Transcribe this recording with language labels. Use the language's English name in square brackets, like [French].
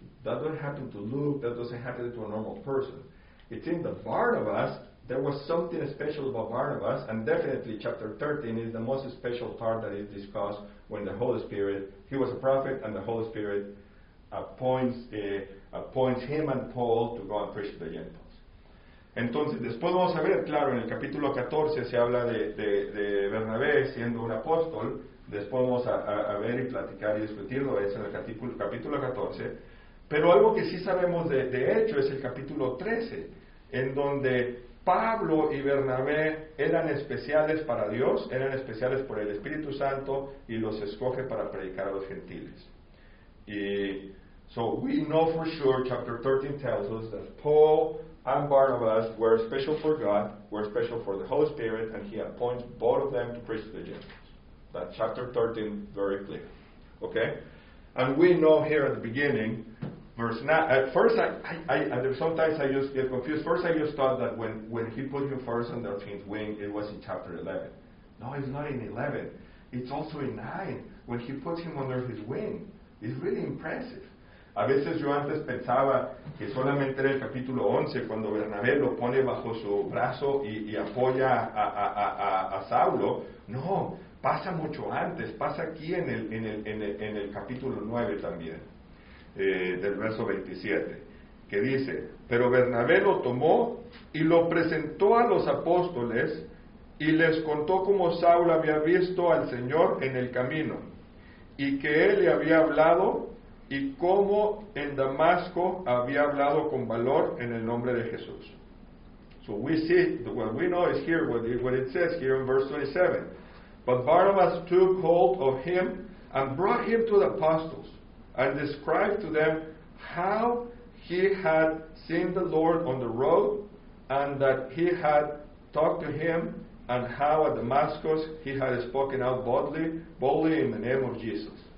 [English] That doesn't happen to Luke. That doesn't happen to a normal person. It's in the Barnabas. There was something special about Barnabas, and definitely chapter 13 is the most special part that is discussed when the Holy Spirit, he was a prophet, and the Holy Spirit appoints him and Paul to go and preach to the Gentiles. [Spanish] Entonces, después vamos a ver, claro, en el capítulo 14 se habla de Bernabé siendo un apóstol. Después vamos a ver y platicar y discutirlo, es en el capítulo 14. Pero algo que sí sabemos de hecho es el capítulo 13, en donde Pablo y Bernabé eran especiales para Dios, eran especiales por el Espíritu Santo, y los escoge para predicar a los gentiles. [English] Y, so we know for sure, chapter 13 tells us that Paul and Barnabas were special for God, were special for the Holy Spirit, and he appoints both of them to preach to the Gentiles. That's chapter 13, very clear. Okay? And we know here at the beginning, verse 9. At first, sometimes I just get confused. First, I just thought that when he put him first on the 13th wing, it was in chapter 11. No, it's not in 11. It's also in 9, when he puts him under his wing. It's really impressive. [Spanish] A veces yo antes pensaba que solamente era el capítulo 11, cuando Bernabé lo pone bajo su brazo y apoya a Saulo. No, pasa mucho antes. Pasa aquí en el capítulo 9 también. Del verso 27, que dice: pero Bernabé lo tomó y lo presentó a los apóstoles y les contó cómo Saulo había visto al Señor en el camino y que él le había hablado y cómo en Damasco había hablado con valor en el nombre de Jesús. [English] So we see, what we know is here, what it says here in verse 27. But Barnabas took hold of him and brought him to the apostles and described to them how he had seen the Lord on the road, and that he had talked to him, and how at Damascus he had spoken out boldly in the name of Jesus.